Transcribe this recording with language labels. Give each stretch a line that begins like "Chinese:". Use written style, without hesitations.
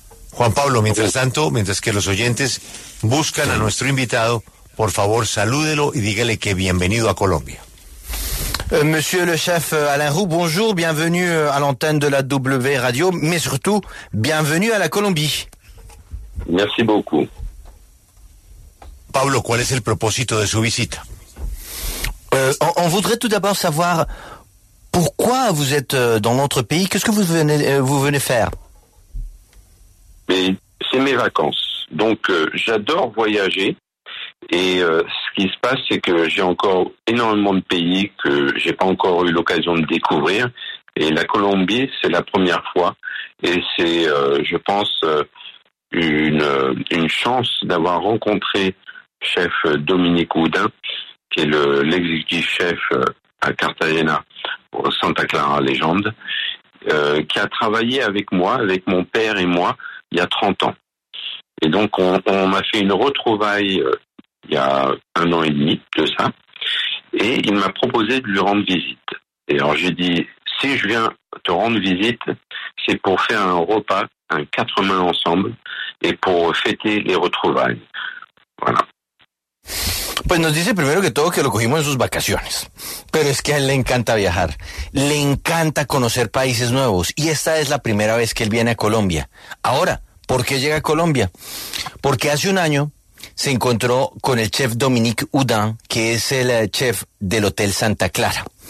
Spanish: Juan Pablo, mientras tanto, mientras que los oyentes buscan a nuestro invitado, por favor, salúdelo y dígale que bienvenido a Colombia.
French: Monsieur le chef Alain Roux, bonjour, bienvenue à l'antenne de la W Radio, mais surtout, bienvenue à la Colombie. Merci beaucoup.
Spanish: Pablo, ¿cuál es el propósito de su visita?
French: On voudrait tout d'abord savoir pourquoi vous êtes dans notre pays, qu'est-ce que vous venez faire? Mais c'est mes vacances, donc j'adore voyager. Et ce qui se passe, c'est que j'ai encore énormément de pays que j'ai pas encore eu l'occasion de découvrir. Et la Colombie, c'est la première fois. Et c'est, je pense, une chance d'avoir rencontré chef Dominique Houdin, qui est l'exécutif chef à Cartagena, au Santa Clara Légende, qui a travaillé avec moi, avec mon père et moi, il y a 30 ans. Et donc, on m'a fait une retrouvaille il y a un an et demi de ça, et il m'a proposé de lui rendre visite. Et alors j'ai dit, si je viens te rendre visite, c'est pour faire un repas, un quatre mains ensemble, et pour fêter les retrouvailles. Voilà.
Spanish: Pues nos dice primero que todo que lo cogimos en sus vacaciones, pero es que a él le encanta viajar, le encanta conocer países nuevos, y esta es la primera vez que él viene a Colombia. Ahora, ¿por qué llega a Colombia? Porque hace un año se encontró con el chef Dominique Houdin, que es el chef del Hotel Santa Clara.